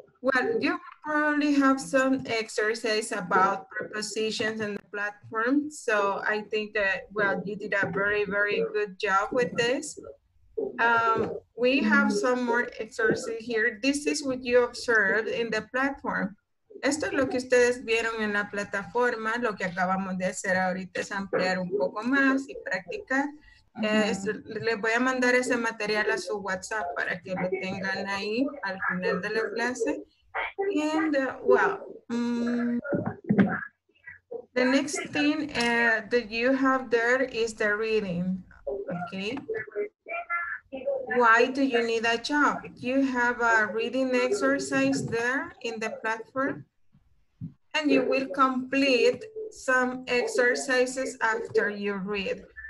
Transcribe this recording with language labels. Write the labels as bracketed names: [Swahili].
[English] Well, you probably have some exercise about prepositions and the platform. So I think that, well, you did a very, very good job with this. We have some more exercises here. This is what you observed in the platform. [Spanish] Esto es lo que ustedes vieron en la plataforma. Lo que acabamos de hacer ahorita es ampliar un poco más y practicar. Les voy a mandar ese material a su WhatsApp para que lo tengan ahí al final de la clase. [English] And the next thing that you have there is the reading. Okay. Why do you need a job? You have a reading exercise there in the platform, and you will complete some exercises after you read.